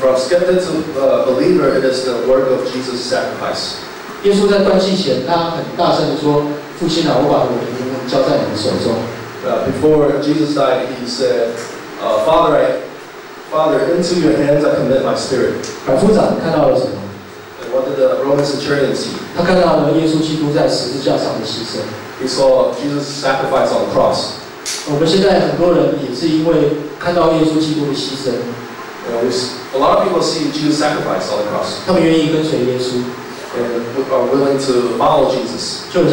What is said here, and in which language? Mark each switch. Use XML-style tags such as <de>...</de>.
<en>from skeptic to believer, it is the work of Jesus' sacrifice.</en> <zh>耶稣在断气前，他很大声地说。父亲啊，我把我的灵魂交在你的手中。</zh> <en>Before Jesus died, he said, Father, into your hands I commit my spirit.</en> <zh>百夫长看到了什么？</zh> <en>And what did the Roman centurion see?</en> <zh>他看到了耶稣基督在十字架上的牺牲。</zh> <en>He saw Jesus' sacrifice on the cross.</en> <zh>我们现在很多人也是因为看到耶稣基督的牺牲。</zh> <en>A lot of people see Jesus' sacrifice on the cross.</en> <zh>他们愿意跟随耶稣。</zh> <en>And are willing to follow Jesus.</en>